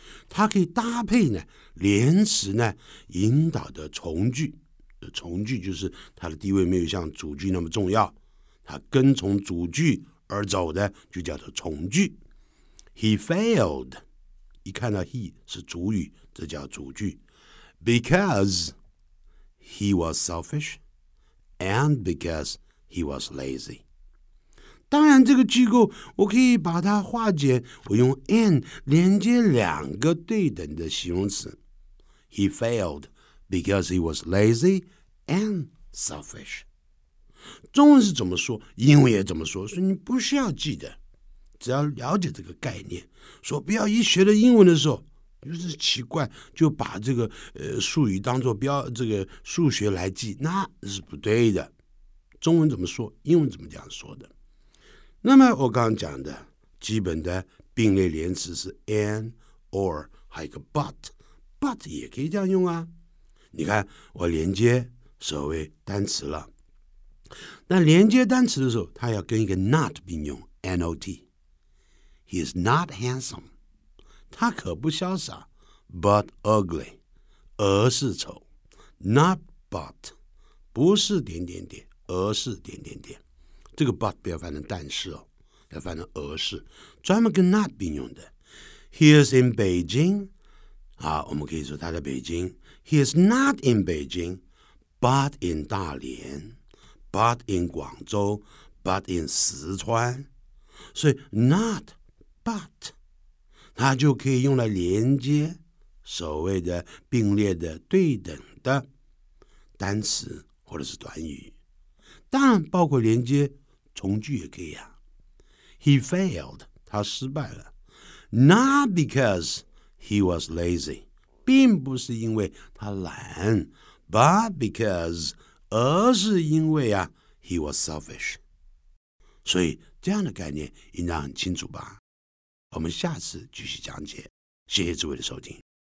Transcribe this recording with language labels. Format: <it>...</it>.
<zh>它可以搭配呢连词呢引导的从句，从句就是它的地位没有像主句那么重要，它跟从主句而走的就叫做从句。</zh> <en>He failed，</en> <zh>一看到 he 是主语，这叫主句。</zh> <en>Because he was selfish and because he was lazy。</en> <zh>当然这个句构我可以把它化解，我用 and 连接两个对等的形容词，</zh> <en>he failed because he was lazy and selfish。</en> <zh>中文是怎么说英文也怎么说，所以你不需要记得，只要了解这个概念，说不要一学了英文的时候就是奇怪，就把这个术语当作标这个数学来记，那是不对的。中文怎么说英文怎么讲说的。那么我刚刚讲的基本的并列连词是 and or 还有个 but 也可以这样用啊。你看我连接所谓单词了，那连接单词的时候它要跟一个 not 并用 not。</zh> <en>He is not handsome，</en> <zh>他可不潇洒。</zh> <en>But ugly，</en> <zh>而是丑。</zh> <en>Not but，</en> <zh>不是点点点，而是点点点。这个 but 不要翻成但是哦，要翻成而是，专门跟 not 并用的。</zh> <en>He is in Beijing，</en> <zh>啊，我们可以说他在北京。</zh> <en>He is not in Beijing， but in 大连， but in 广州， but in 四川。</en> <zh>所以 notBut 它就可以用来连接所谓的并列的对等的单词或者是短语，当然包括连接从句也可以啊。</zh> <en>He failed，</en> <zh>他失败了。</zh> <en>Not because he was lazy，</en> <zh>并不是因为他懒。</zh> <en>But because，</en> <zh>而是因为啊</zh> <en>he was selfish。</en> <zh>所以这样的概念应当很清楚吧，我们下次继续讲解，谢谢诸位的收听。</zh>